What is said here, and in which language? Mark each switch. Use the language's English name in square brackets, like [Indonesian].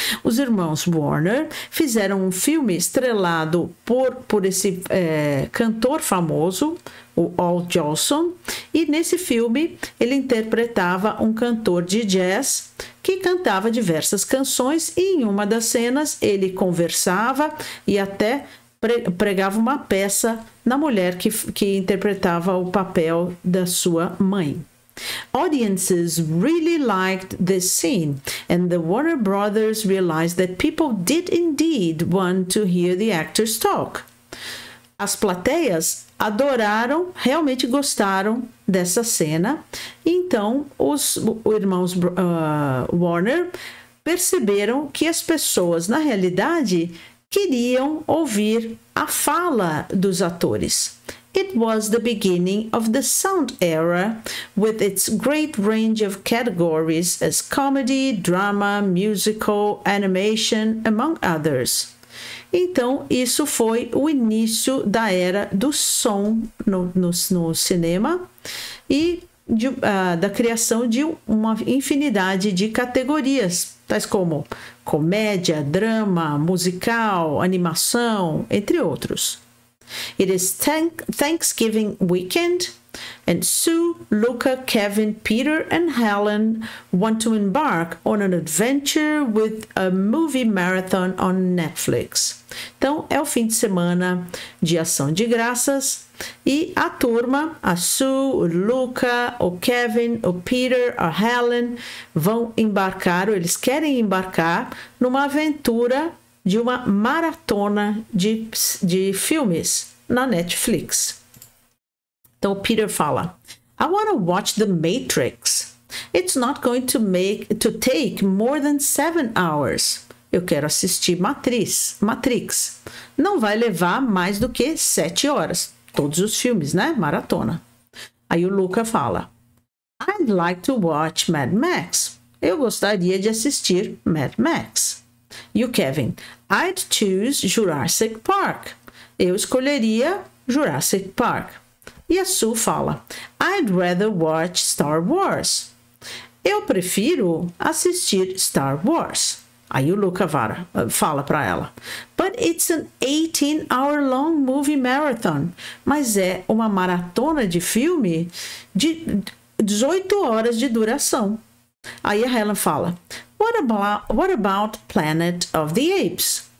[Portuguese] Os irmãos Warner fizeram um filme estrelado por esse cantor famoso, o Al Jolson, e nesse filme ele interpretava um cantor de jazz que cantava diversas canções e em uma das cenas ele conversava e até pregava uma peça na mulher que interpretava o papel da sua mãe. [English] Audiences really liked this scene, and the Warner Brothers realized that people did indeed want to hear the actors talk. [Portuguese] As plateias adoraram, realmente gostaram dessa cena. Então, os irmãos Warner perceberam que as pessoas, na realidade, queriam ouvir a fala dos atores. [English] It was the beginning of the sound era, with its great range of categories as comedy, drama, musical, animation, among others. [Portuguese] Então, isso foi o início da era do som no cinema e da criação de uma infinidade de categorias, tais como comédia, drama, musical, animação, entre outros. [English] It is Thanksgiving weekend, and Sue, Luca, Kevin, Peter, and Helen want to embark on an adventure with a movie marathon on Netflix. [Portuguese] Então, é o fim de semana de Ação de Graças, e a turma, a Sue, o Luca, o Kevin, o Peter, a Helen, vão embarcar, ou eles querem embarcar, numa aventura de uma maratona de filmes na Netflix. Então, o Peter fala, [English] I want to watch The Matrix. It's not going to take more than 7 hours. [Portuguese] Eu quero assistir Matrix. Não vai levar mais do que 7 horas. Todos os filmes, né? Maratona. Aí o Luca fala, [English] I'd like to watch Mad Max. [Portuguese] Eu gostaria de assistir Mad Max. E o Kevin, [English] I'd choose Jurassic Park. [Portuguese] Eu escolheria Jurassic Park. E a Sue fala, [English] I'd rather watch Star Wars. [Portuguese] Eu prefiro assistir Star Wars. Aí o Luca fala para ela, [English] but it's an 18-hour long movie marathon. [Portuguese] Mas é uma maratona de filme de 18 horas de duração. Aí a Helen fala, [English] What about Planet of the Apes?